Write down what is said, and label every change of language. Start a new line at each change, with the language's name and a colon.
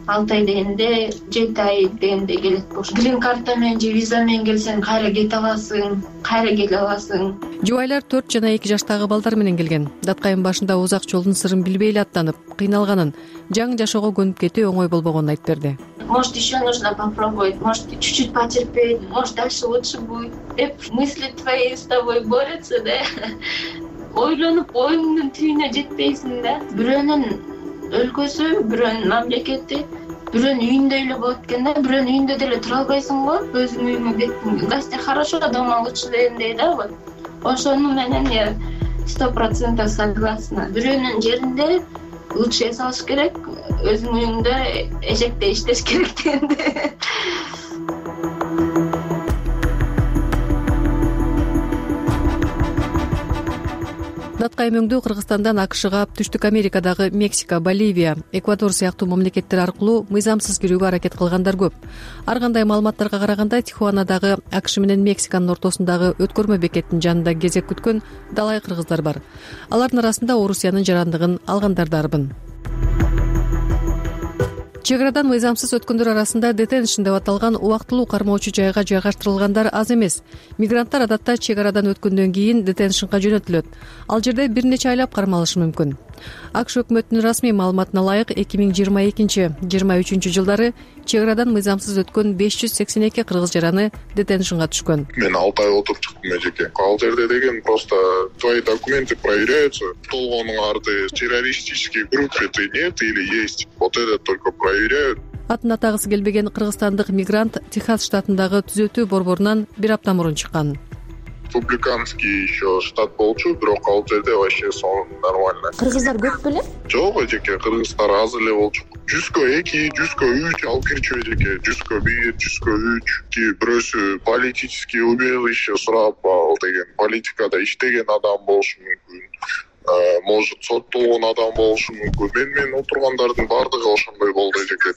Kyrgyz: 6 ай дегенде 7 ай дегенде келет болуш. Грин карта менен же виза менен келсең кайра кете аласың, кайра келе аласың. Жубайлар 4 жана 2 жаштагы балдар менен келген. Даткайым башында узак жолдун сырын билбей эле аттанып, кыйналганын, жаңы жашоого көнүп кетүү оңой болбогонун айтып берди.
Russian: Может еще нужно попробовать, может чуть-чуть потерпеть, может дальше лучше будет. Деп мысли твои с тобой борются, да?
Kyrgyz: Ойлонуп оюңдун түйүнө жетпейсиң да. Бирөөнүн өлкөсү, бирөөнүн мамлекети, бирөөнүн үйүндө эле болот экен да. Бирөөнүн үйүндө деле тура албайсың го, өзүңдүн үйүңө кеттиң.
Russian: Гостя хорошо, дома лучше
Kyrgyz: дегендей да.
Russian: Вот
Kyrgyz: ошону менен
Russian: я 100% согласна.
Kyrgyz: Бирөөнүн жеринде
Russian: лучше
Kyrgyz: жашаш керек, өзүн үйүндө эжекте иштеш керек экенди. Датка эмөңдүү Кыргызстандан АКШга, Түштүк Америкадагы Мексика, Боливия, Эквадор сыяктуу мамлекеттер аркылуу мыйзамсыз кирүүгө аракет кылгандар көп. Ар кандай маалыматтарга караганда, Тихуанадагы АКШ менен Мексиканын ортосундагы өткөрмө бекеттин жанында кезек күткөн далай кыргыздар бар. Алардын арасында Орусиянын жарандыгын алгандар да бар. Чекарадан мыйзамсыз өткөндөр арасында детеншн деп аталган убактылуу кармоочу жайга жайгаштырылгандар аз эмес. Мигранттар адатта чек арадан өткөндөн кийин детеншнга жөнөтүлөт. Ал жерде бир нече айлап кармалышы мүмкүн. АКШ өкмөтүнүн расмий маалыматына ылайык, 2022-23 жылдары чек арадан мыйзамсыз өткөн 582 кыргыз жараны детеншнга түшкөн. Мен 6 ай отуруп чыктым эжеке. Ал жерде деген
Russian: просто твои документы проверяются,
Kyrgyz: толгонуң арты
Russian: террористический группа ты нет или есть. Вот это только проверяют.
Kyrgyz: Атын атагысы келбеген кыргызстандык мигрант Техас штатындагы түзөтүү борборунан бир апта мурун чыккан.
Russian: Республиканский еще штат
Kyrgyz: болчу, бирок ал жерде
Russian: вообще
Kyrgyz: сонун
Russian: нормально.
Kyrgyz: Кыргыздар көп беле? Жок эжеке, кыргыздар аз эле болчу. 100-2, 100-3 алып кирчү эжеке, 100-1, 100-3. Бирөөсү
Russian: политический убежище
Kyrgyz: сурап ал деген, политикада иштеген адам болушу мүмкүн.
Russian: Может
Kyrgyz: соттолгон адам болушу мүмкүн. Мен отургандардын баардыгы ошондой болду эжеке.